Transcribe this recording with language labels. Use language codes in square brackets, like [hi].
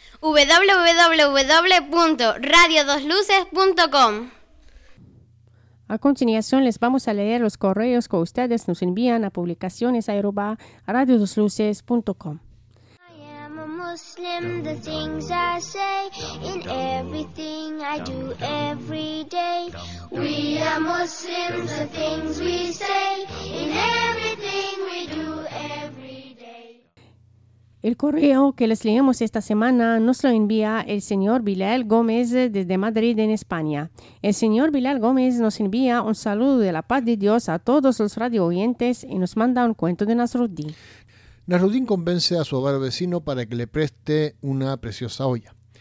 [es] www.radiodosluces.com. A continuación les vamos a leer los correos que ustedes nos envían a publicaciones@radiodosluces.com. [en] I am a Muslim, the things I say in everything I do every day. We are Muslim, the things we say in everything we do every day. [es] El correo que les leemos esta semana nos lo envía el señor Bilal Gómez desde Madrid, en España. El señor Bilal Gómez nos envía un saludo de la paz de Dios a todos los radio oyentes y nos manda un cuento de Nasruddin. Nasruddin convence a su avaro vecino para que le preste una preciosa olla.